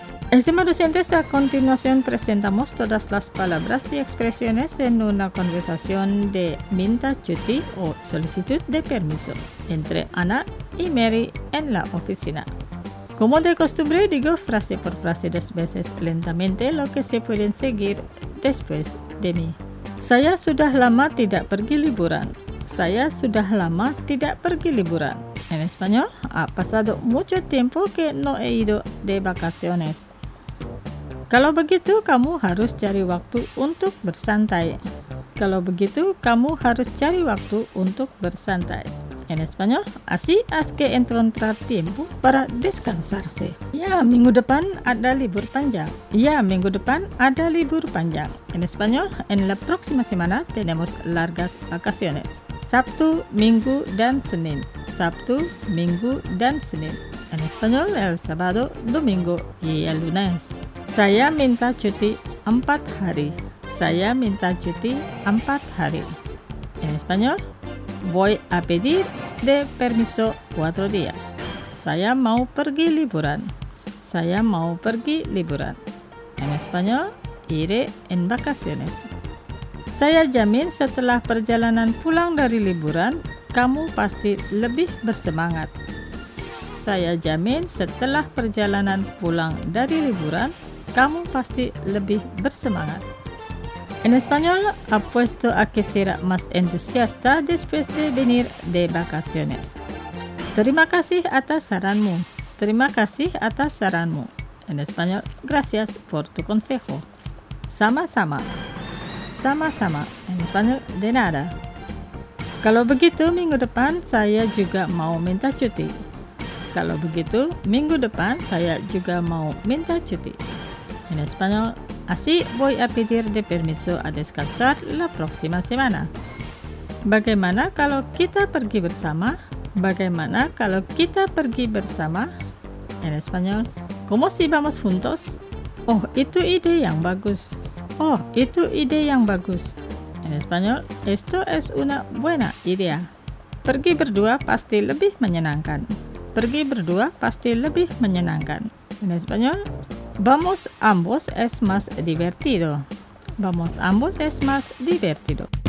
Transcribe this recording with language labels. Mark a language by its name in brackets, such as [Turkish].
[Spanish] Estimados oyentes, a continuación presentamos todas las palabras y expresiones en una conversación de minta cuti o solicitud de permiso entre Ana y Mary en la oficina. Como de costumbre, digo frase por frase dos veces lentamente lo que se pueden seguir después de mí. [Indonesian] Saya sudah lama tidak pergi liburan. Saya sudah lama tidak pergi liburan. [Spanish] En español, ha pasado mucho tiempo que no he ido de vacaciones. [Indonesian] Kalau begitu, kamu harus cari waktu untuk bersantai. Kalau begitu, kamu harus cari waktu untuk bersantai. [Spanish] En español, así es que encontrar tiempo para descansarse. [Indonesian] Ya, minggu depan ada libur panjang. Ya, minggu depan ada libur panjang. [Spanish] En español, en la próxima semana tenemos largas vacaciones. [Indonesian] Sabtu, Minggu, dan Senin. Sabtu, Minggu, dan Senin. [Spanish] En español, el sábado, domingo y el lunes. [Indonesian] Saya minta cuti 4 hari. Saya minta cuti 4 hari. [Spanish] En español, voy a pedir de permiso 4 días. [Indonesian] Saya mau pergi liburan. Saya mau pergi liburan. [Spanish] En español, iré en vacaciones. [Indonesian] Saya jamin setelah perjalanan pulang dari liburan, kamu pasti lebih bersemangat. Saya jamin setelah perjalanan pulang dari liburan, kamu pasti lebih bersemangat. [Spanish] En español, apuesto a que será más entusiasta después de venir de vacaciones. [Indonesian] Terima kasih atas saranmu. Terima kasih atas saranmu. [Spanish] En español, gracias por tu consejo. [Indonesian] Sama-sama. Sama-sama. [Spanish] En español, de nada. [Indonesian] Kalau begitu, minggu depan saya juga mau minta cuti. Kalau begitu, minggu depan saya juga mau minta cuti. [Spanish] En español, así voy a pedir de permiso a descansar la próxima semana. [Indonesian] Bagaimana kalau kita pergi bersama? Bagaimana kalau kita pergi bersama? [Spanish] En español, ¿cómo si vamos juntos? [Indonesian] Oh, itu ide yang bagus. Oh, itu ide yang bagus. [Spanish] En español, esto es una buena idea. [Indonesian] Pergi berdua pasti lebih menyenangkan. Pergi berdua pasti lebih menyenangkan. [Spanish] En español, vamos ambos es más divertido. Vamos ambos es más divertido.